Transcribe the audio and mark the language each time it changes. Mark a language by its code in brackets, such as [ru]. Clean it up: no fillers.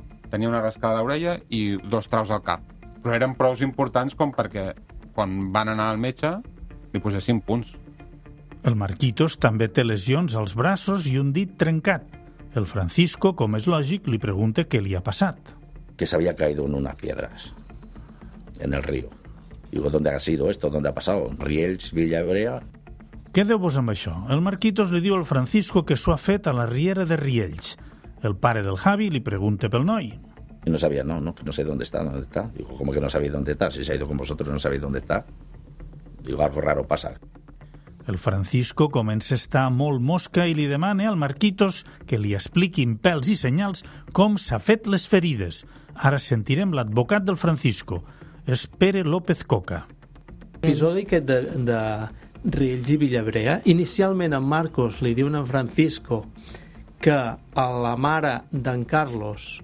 [ca] Tenia una rascada a l'orella i dos traus al cap. Però eren prou importants com perquè, quan van anar al metge, li posessin punts. El Marquitos també té lesions als braços i un dit trencat. El Francisco, com és lògic, li pregunta què li ha passat. [es] Que s'havia caído en unas piedras, en el río. Digo, ¿dónde ha sido esto? ¿Dónde ha pasado? Riells, Villa Hebrea... [ca] Quedeu-vos amb això. El Marquitos li diu al Francisco que s'ho ha fet a la riera de Riells. El pare del Javi li pregunta pel noi. [es] Y no sabía, no sé dónde está. Digo, ¿cómo que no sabéis dónde está? Si se ha ido con vosotros, no sabéis dónde está. Digo, algo raro pasa. [ca] El Francisco comença a estar molt mosca i li demana al Marquitos que li expliqui en pèls i senyals com s'ha fet les ferides. Ara sentirem l'advocat del Francisco, és Pere López Coca. Episodi aquest de Riells i Villabrea, inicialment en Marcos li diu a en Francisco que a la mare d'en Carlos